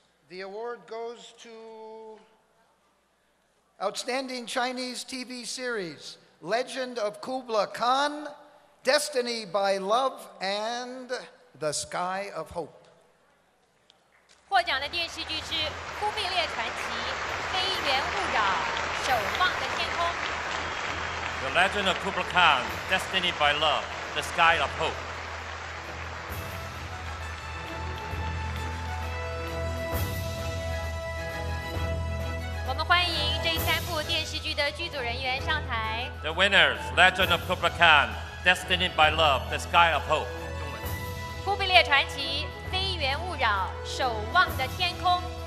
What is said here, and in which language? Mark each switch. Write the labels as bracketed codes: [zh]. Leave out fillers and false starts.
[en] The award goes to Outstanding Chinese TV Series, Legend of Kubla Khan, Destiny by Love, and The Sky of Hope. [zh] 获奖的电视剧是《忽必烈传奇》《非缘勿扰》《守望的天空》。 [en] The Legend of Kubla Khan, Destiny by Love, The Sky of Hope. [zh] 我们欢迎这三部电视剧的剧组人员上台。 [en] The winners, Legend of Kubla Khan, Destiny by Love, The Sky of Hope. [zh] 忽必烈传奇。非缘勿扰，守望的天空。